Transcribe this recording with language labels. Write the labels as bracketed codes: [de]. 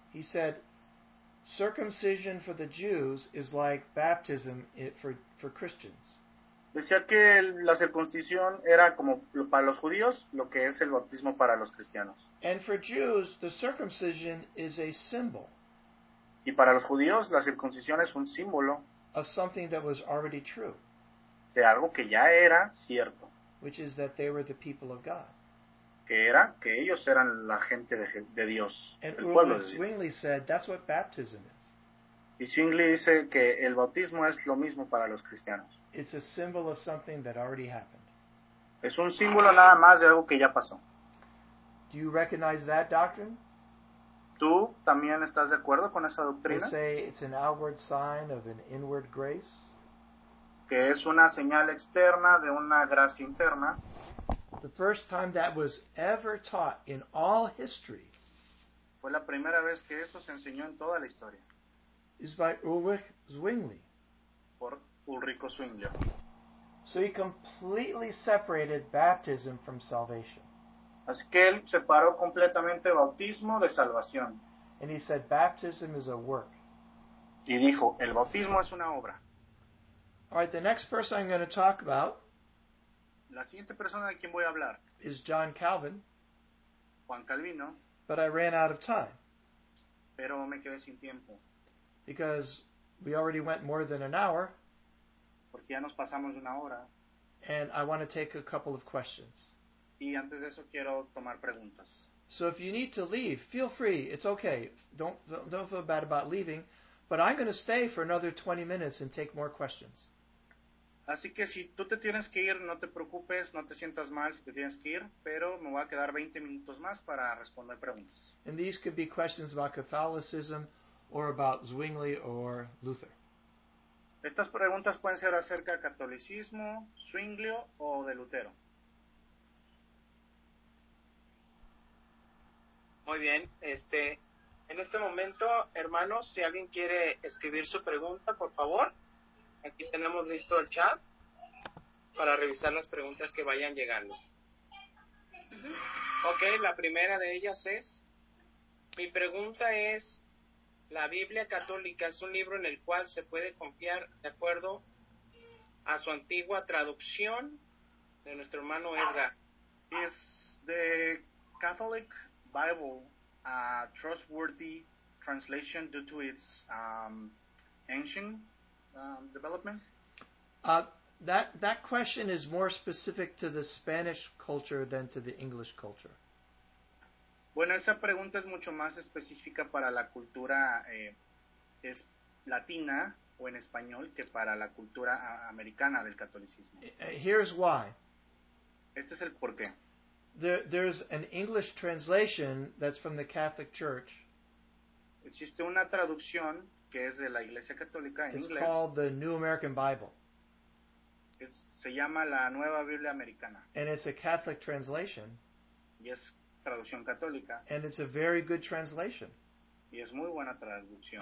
[en] He said circumcision for the Jews is like baptism for Christians. [es] Decía que la circuncisión era como para los judíos lo que es el bautismo para los cristianos. [en] And for Jews, the circumcision is a symbol. [es] Y para los judíos, la circuncisión es un símbolo. [en] of something that was already true. [es] De algo que ya era cierto. [en] Which is that they were the people of God. [es] Que era que ellos eran la gente de Dios, [en] and [es] el pueblo de Dios. [en] Zwingli said, that's what baptism is. [es] Y Zwingli dice que el bautismo es lo mismo para los cristianos. [en] It's a symbol of something that already happened. [es] Es un símbolo nada más de algo que ya pasó. [en] Do you recognize that doctrine? [es] ¿Tú también estás de acuerdo con esa doctrina? [en] They say it's an outward sign of an inward grace. [es] Que es una señal externa de una gracia interna. [en] The first time that was ever taught in all history. [es] Fue la primera vez que eso se enseñó en toda la historia. [en] Is by Ulrich Zwingli. [es] Por Ulrico Zwingli. [en] So he completely separated baptism from salvation. [es] Así que él separó completamente bautismo de salvación. [en] And he said, baptism is a work. [es] Y dijo, el bautismo es una obra. [en] All right, the next person I'm going to talk about. [es] La siguiente persona de quien voy a hablar. [en] Is John Calvin. [es] Juan Calvino. [en] But I ran out of time. [es] Pero me quedé sin tiempo. [en] Because we already went more than an hour. [es] Porque ya nos pasamos una hora. [en] And I want to take a couple of questions. [es] Y antes de eso quiero tomar preguntas. [en] So if you need to leave, feel free. It's okay. Don't feel bad about leaving. But I'm going to stay for another 20 minutes and take more questions. [es] Así que si tú te tienes que ir, no te preocupes, no te sientas mal si te tienes que ir, pero me voy a quedar 20 minutos más para responder preguntas. [en] And these could be questions about Catholicism or about Zwingli or Luther. [es] Estas preguntas pueden ser acerca del catolicismo, Zwinglio o de Lutero. Muy bien, en este momento, hermanos, si alguien quiere escribir su pregunta, por favor, aquí tenemos listo el chat para revisar las preguntas que vayan llegando. Ok, la primera de ellas es, mi pregunta es, ¿la Biblia católica es un libro en el cual se puede confiar de acuerdo a su antigua traducción de nuestro hermano Edgar? [en] Is the Catholic Bible a trustworthy translation due to its ancient development? That question is more specific to the Spanish culture than to the English culture. [es] Bueno, esa pregunta es mucho más específica para la cultura es latina o en español que para la cultura americana del catolicismo. [en] Here's why. [es] Este es el porqué. [en] There's an English translation that's from the Catholic Church. [es] Existe una traducción que es de la Iglesia Católica en inglés. [en] It's called the New American Bible. [es] Se llama la Nueva Biblia Americana. [en] And it's a Catholic translation. [es] Y es traducción católica. [en] And it's a very good translation. [es] Y es muy buena traducción.